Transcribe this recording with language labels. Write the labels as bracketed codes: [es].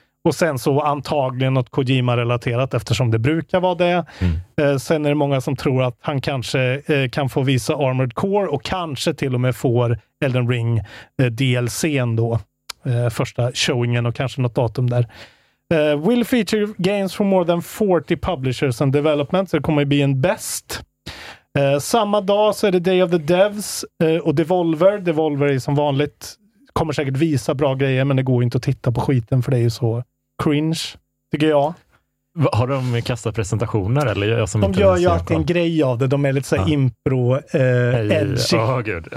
[sv] Och sen så antagligen något Kojima-relaterat eftersom det brukar vara det. Mm. Sen är det många som tror att han kanske kan få visa Armored Core och kanske till och med får Elden Ring DLC:n då. Första showingen och kanske något datum där. [en] Will feature games from more than 40 publishers and developments. [sv] Det kommer bli en best. Samma dag så är det Day of the Devs och Devolver. Devolver är som vanligt... Kommer säkert visa bra grejer, men det går inte att titta på skiten för det är ju så cringe, tycker jag. Har de kastat presentationer? Eller jag som de inte gör ju alltid en grej av det. De är lite så här impro-edgy.